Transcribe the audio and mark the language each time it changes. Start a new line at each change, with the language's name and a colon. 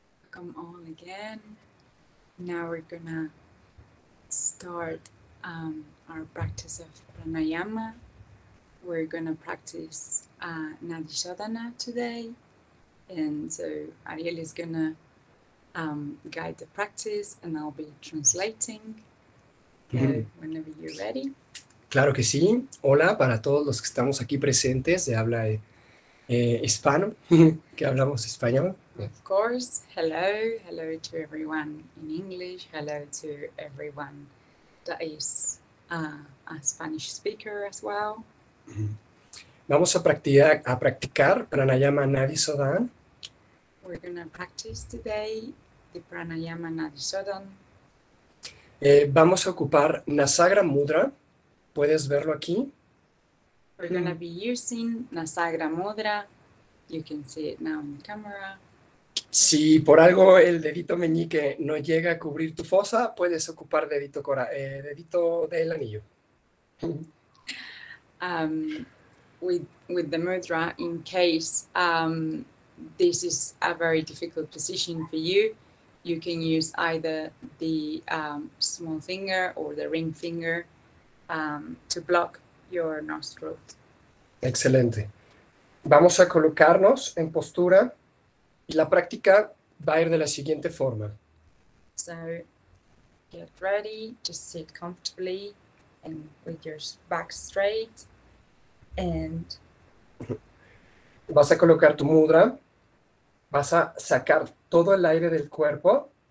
English: Come on again. Now we're gonna start our practice of pranayama. We're gonna practice nadishodhana today. And so Ariel is gonna guide the practice and I'll be translating. Okay, whenever you're ready.
Spanish: Claro que sí. Hola para todos los que estamos aquí presentes de habla hispano, que hablamos español.
English: Of course. Hello to everyone in English. Hello to everyone that is a Spanish speaker as well.
Spanish: Vamos a practicar pranayama nadisodan.
English: We're going to practice today the pranayama nadisodan.
Spanish: Vamos a ocupar Nasagra Mudra. Puedes verlo aquí.
English: We're going to be using Nasagra Mudra. You can see it now on the camera.
Spanish: Si por algo el dedito meñique no llega a cubrir tu fosa, puedes ocupar dedito del anillo.
English: With the mudra, in case this is a very difficult position for you, you can use either the small finger or the ring finger to block your nostrils.
Spanish: Excelente. Vamos a colocarnos en postura. La práctica va a ir de la siguiente forma.
English: So, get ready, just sit comfortably and with your back straight. And
Spanish: vas a colocar tu mudra, vas a sacar todo el aire del cuerpo.